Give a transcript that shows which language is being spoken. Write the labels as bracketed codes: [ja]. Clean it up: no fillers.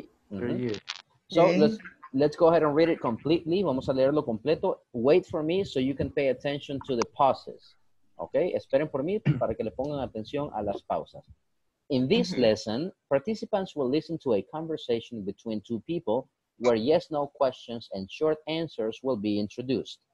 [en] Mm-hmm. So let's go ahead and read it completely. [es] Vamos a leerlo completo. [en] Wait for me so you can pay attention to the pauses. Okay? [es] Esperen por mí para que le pongan atención a las pausas. [en] In this lesson, participants will listen to a conversation between two people where yes, no questions and short answers will be introduced.